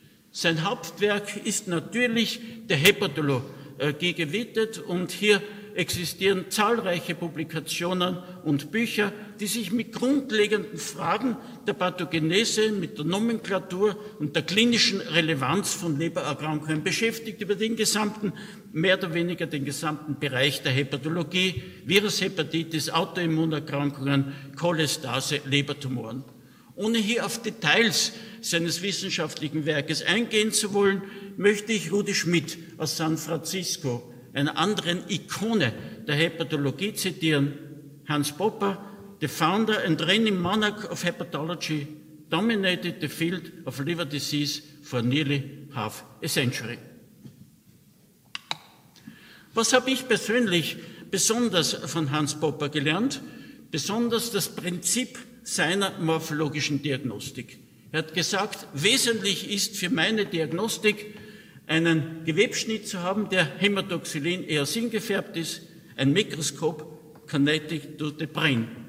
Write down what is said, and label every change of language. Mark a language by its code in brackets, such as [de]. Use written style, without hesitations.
[de] Sein Hauptwerk ist natürlich der Hepatologie gewidmet, und hier existieren zahlreiche Publikationen und Bücher, die sich mit grundlegenden Fragen der Pathogenese, mit der Nomenklatur und der klinischen Relevanz von Lebererkrankungen beschäftigt, über den gesamten, mehr oder weniger den gesamten Bereich der Hepatologie, Virushepatitis, Autoimmunerkrankungen, Cholestase, Lebertumoren. Ohne hier auf Details seines wissenschaftlichen Werkes eingehen zu wollen, möchte ich Rudi Schmidt aus San Francisco, einer anderen Ikone der Hepatologie, zitieren. [en] Hans Popper, the founder and reigning monarch of hepatology, dominated the field of liver disease for nearly half a century. [de] Was habe ich persönlich besonders von Hans Popper gelernt? Besonders das Prinzip seiner morphologischen Diagnostik. Er hat gesagt, wesentlich ist für meine Diagnostik, einen Gewebschnitt zu haben, der Hämatoxylin eosin gefärbt ist, ein Mikroskop [en] connected to the brain.